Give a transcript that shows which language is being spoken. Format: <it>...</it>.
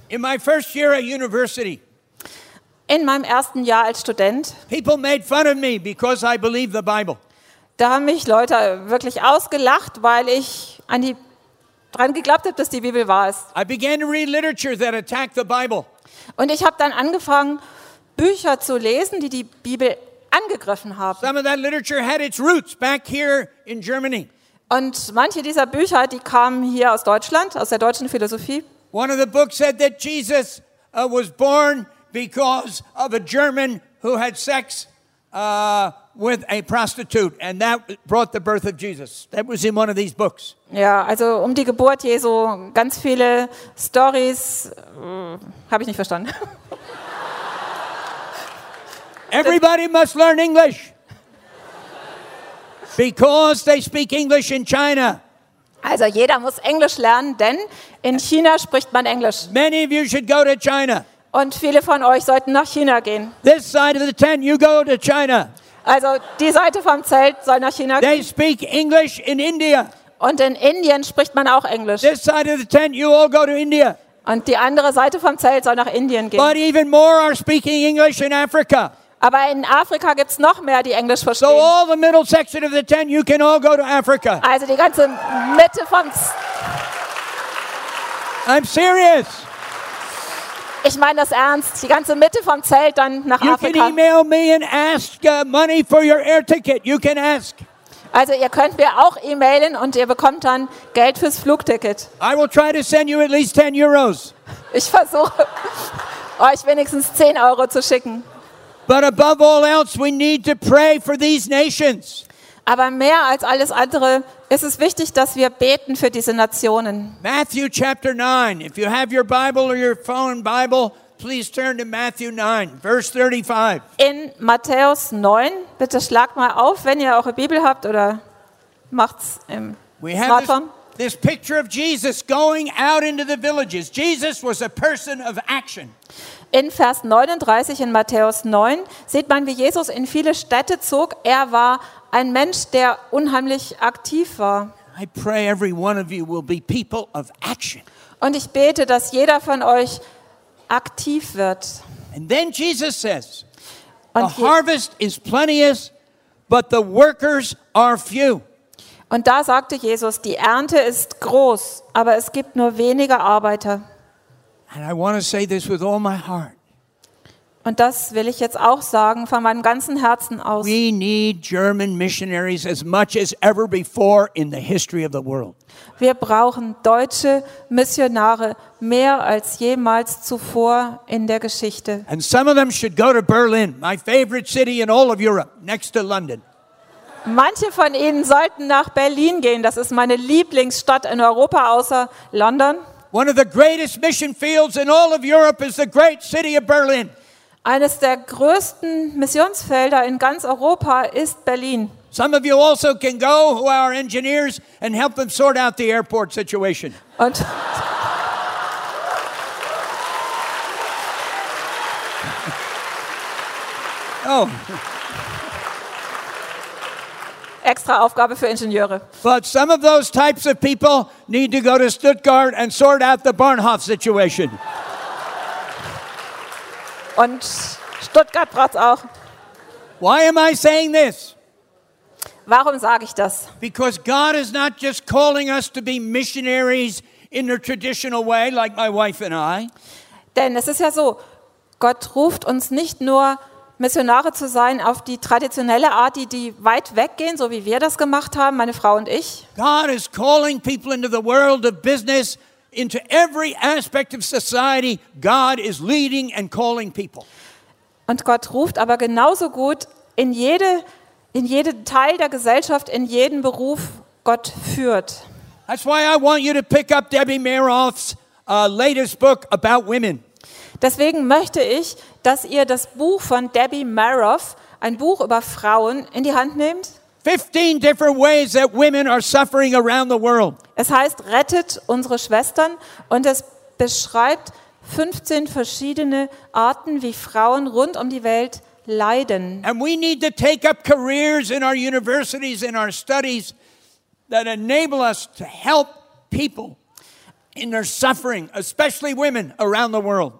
<en>In my first year at university.</en> <de>In meinem ersten Jahr als Student.</de> <en>People made fun of me because I believe the Bible.</en> <de>Da haben mich Leute wirklich ausgelacht, weil ich an die dran geglaubt habe, dass die Bibel wahr ist.</de> <en>I began to read literature that attacked the Bible.</en> <de>Und ich habe dann angefangen, Bücher zu lesen, die Bibel angegriffen haben.</de> <en>Some of that literature had its roots back here in Germany.</en> <de>Und manche dieser Bücher, die kamen hier aus Deutschland, aus der deutschen Philosophie.</de> <en>One of the books said that Jesus was born because of a German who had sex with a prostitute, and that brought the birth of Jesus. That was in one of these books.</en> <de>Ja, also die Geburt Jesu, ganz viele Stories, habe ich nicht verstanden.</de> <en>Everybody must learn English because they speak English in China.</en> <de>Also jeder muss Englisch lernen, denn in China spricht man Englisch.</de> <en>Many of you should go to China.</en> <de>Und viele von euch sollten nach China gehen.</de> <en>This side of the tent, you go to China.</en> <de>Also die Seite vom Zelt soll nach China</de> <en>They</en> <de>gehen.</de> <en>Speak English in India.</en> <de>Und in Indien spricht man auch Englisch.</de> <en>This side of the tent, you all go to India.</en> <de>Und die andere Seite vom Zelt soll nach Indien gehen.</de> <en>But even more are speaking English in Africa.</en> <de>Aber in Afrika gibt's noch mehr, die Englisch verstehen.</de> <en>So all the middle section of the tent, you can all go to Africa.</en> <de>Also die ganze Mitte vom</de> <en>I'm serious.</en> <de>Ich meine das ernst. Die ganze Mitte vom Zelt dann nach</de> <en>you</en> <de>Afrika.</de> <en>You can email me and ask money for your air ticket. You can ask.</en> <de>Also ihr könnt mir auch e-mailen und ihr bekommt dann Geld fürs Flugticket.</de> <en>I will try to send you at least 10 euros.</en> <de>Ich versuche euch wenigstens 10 Euro zu schicken.</de> <en>But above all else, we need to pray for these nations.</en> <de>Aber mehr als alles andere ist es wichtig, dass wir beten für diese Nationen.</de> <en>Matthew chapter 9. If you have your Bible or your phone Bible, please turn to Matthew 9, verse 35.</en> <de>In Matthäus 9, bitte schlag mal auf, wenn ihr eure Bibel habt oder macht's im Smartphone.</de> <en>This picture of Jesus going out into the villages. Jesus was a person of action.</en> <de>In Vers 39 in Matthäus 9 sieht man, wie Jesus in viele Städte zog. Er war ein Mensch, der unheimlich aktiv war.</de> <en>I pray every one of you will be people of action.</en> <de>Und ich bete, dass jeder von euch aktiv wird.</de> <en>And then Jesus says, the harvest is plenteous, but the workers are few.</en> <de>Und da sagte Jesus, die Ernte ist groß, aber es gibt nur wenige Arbeiter.</de> <en>And I want to say this with all my heart.</en> <de>Und das will ich jetzt auch sagen von meinem ganzen Herzen aus.</de> <en>We need German missionaries as much as ever before in the history of the world.</en> <de>Wir brauchen deutsche Missionare mehr als jemals zuvor in der Geschichte.</de> <en>And some of them should go to Berlin, my favorite city in all of Europe, next to London.</en> <de>Manche von ihnen sollten nach Berlin gehen. Das ist meine Lieblingsstadt in Europa außer London.</de> <en>One of the greatest mission fields in all of Europe is the great city of Berlin.</en> <de>Eines der größten Missionsfelder in ganz Europa ist Berlin.</de> <en>Some of you also can go who are our engineers and help them sort out the airport situation.</en> <de>Und oh. Extra Aufgabe für Ingenieure.</de> <en>But some of those types of people need to go to Stuttgart and sort out the Bahnhof situation.</en> <de>Und Stuttgart braucht's auch.</de> <en>Why am I saying this?</en> <de>Warum sage ich das?</de> <en>Because God is not just calling us to be missionaries in a traditional way, like my wife and I.</en> <de>Denn es ist ja so, Gott ruft uns nicht nur Missionare zu sein auf die traditionelle Art, die weit weggehen, so wie wir das gemacht haben, meine Frau und ich.</de> <en>God is calling people into the world of business, into every aspect of society. God is leading and calling people.</en> <de>Und Gott ruft aber genauso gut in jeden Teil der Gesellschaft, in jeden Beruf, Gott führt.</de> <en>That's why I want you to pick up Debbie Meroff's latest book about women.</en> <de>Deswegen möchte ich, dass ihr das Buch von Debbie Meroff, ein Buch über Frauen, in die Hand nehmt.</de> <en>15 different ways that women are suffering around the world.</en> <de>Es heißt Rettet unsere Schwestern und es beschreibt 15 verschiedene Arten, wie Frauen rund um die Welt leiden.</de> <en>And we need to take up careers in our universities, in our studies that enable us to help people in their suffering, especially women around the world.</en>